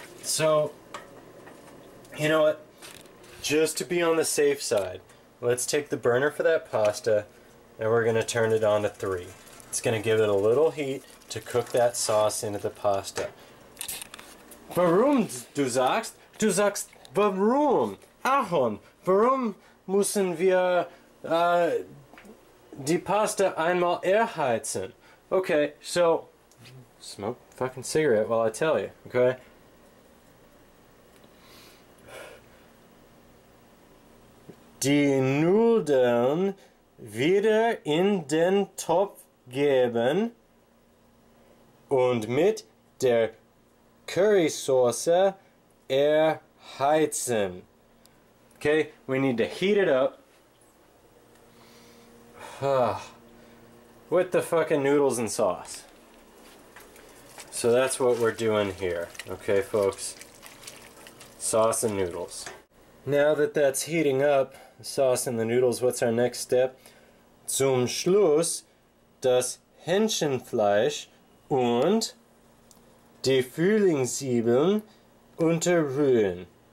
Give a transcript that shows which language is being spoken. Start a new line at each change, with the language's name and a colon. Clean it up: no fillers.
English: So, you know what? Just to be on the safe side, let's take the burner for that pasta, and we're going to turn it on to 3. It's going to give it a little heat to cook that sauce into the pasta.
German: Warum du sagst? Du sagst warum? Ahon, warum müssen wir die Pasta einmal erheizen?
English: Okay, so smoke a fucking cigarette while I tell you, okay?
German: Die Nudeln wieder in den Topf geben und mit der Currysoße erheizen.
English: Okay, we need to heat it up. With the fucking noodles and sauce. So that's what we're doing here. Okay, folks. Sauce and noodles. Now that that's heating up, the sauce and the noodles, what's our next step?
German: Zum Schluss das Hähnchenfleisch und die Frühlingszwiebeln unterrühren.